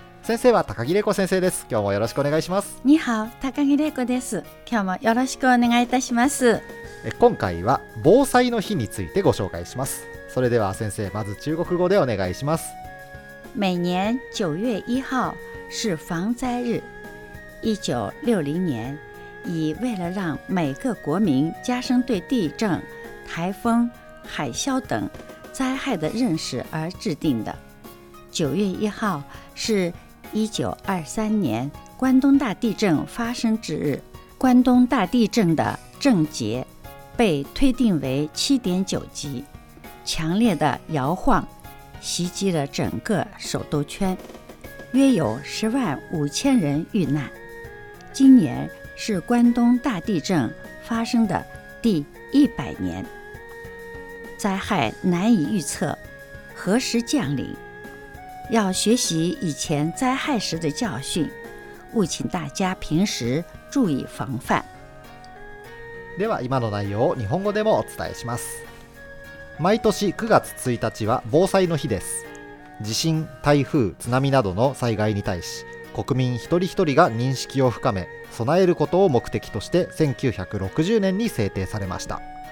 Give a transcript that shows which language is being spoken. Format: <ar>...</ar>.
<ja>先生は高木玲子先生です。今日もよろしくお願いします。</ja> <zh>你好、</zh> <ja>高木玲子です。今日もよろしくお願いいたします。今回は防災の日についてご紹介します。それでは先生、まず中国語でお願いします。</ja> <zh>每年9月1号是防災日。 1960年以为了让每个国民加深对地震、台风、海啸等灾害的认识而制定的。 9月1号是1923年关东大地震发生之日。关东大地震的震节被推定为 7.9 级，强烈的摇晃袭击了整个首都圈，约有105,000人遇难。今年是关东大地震发生的第100年，灾害难以预测，何时降临？要学习以前灾害时的教训，务请大家平时注意防范。</zh> <ja>では今の内容を日本語でもお伝えします。毎年9月1日は防災の日です。地震、台風、津波などの災害に対し、国民一人一人が認識を深め、備えることを目的として1960年に制定されました。</ja>